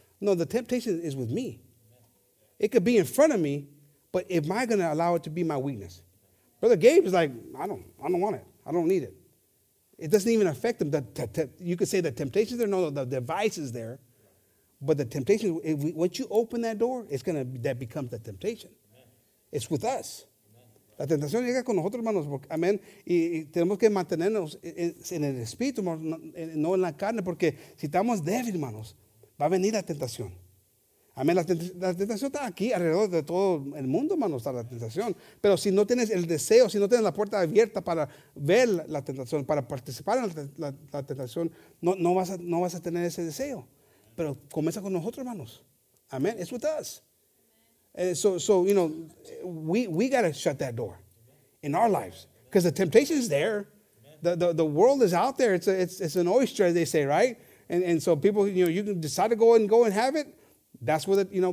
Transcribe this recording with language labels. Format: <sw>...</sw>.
<en>No, the temptation is with me. It could be in front of me, but am I going to allow it to be my weakness? Brother Gabe is like, I don't want it. I don't need it. It doesn't even affect him. You could say the temptation is there. No, the device is there. But the temptation, once you open that door, it's going to that becomes the temptation. It's with us.</en> <es>La tentación llega con nosotros, hermanos. Amén. Y tenemos que mantenernos en el espíritu, no en la carne, porque si estamos débiles, hermanos, va a venir la tentación. Amén. La tentación está aquí alrededor de todo el mundo, hermano, está la tentación. Pero si no tienes el deseo, si no tienes la puerta abierta para ver la tentación, para participar en la tentación, no vas a tener ese deseo. Pero comienza con nosotros, hermanos. Amén.</es> <en>It's with us. So you know, we got to shut that door in our lives. Because the temptation is there. The world is out there. It's an oyster, as they say, right? And so people, you know, you can decide to go and have it. That's what it, you know.</en>